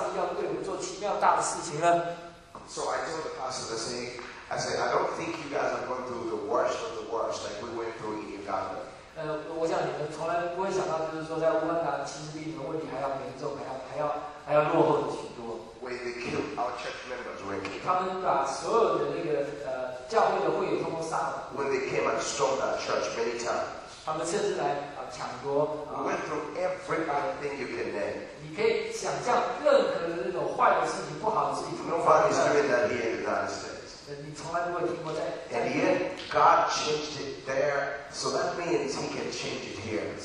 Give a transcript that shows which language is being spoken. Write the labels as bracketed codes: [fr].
[zh] 什么时候是你最后一次在那边跳舞经过站的时候，上帝要对我们做奇妙大的事情呢？ [en] So I told the pastor to say, I said, I don't think you guys are going through the worst of the worst like we went through in Uganda. [zh] 我想你们从来不会想到，就是说在乌干达其实比你们问题还要严重，还要落后的许多。 [en] Where they killed our church members, when they [zh] 他们把所有的那个教会的会友通通杀了。 [en] When they came and stormed our church many times. [zh] 他们甚至来抢夺。We [en] went through every bad thing you can name. [zh] 你可以想象任何的那种坏的事情、不好的事情。Nobody [en] is doing that here in the United States. [zh] 你从来不会听过在。 [en] And yet God changed it there, so that means He can change it here.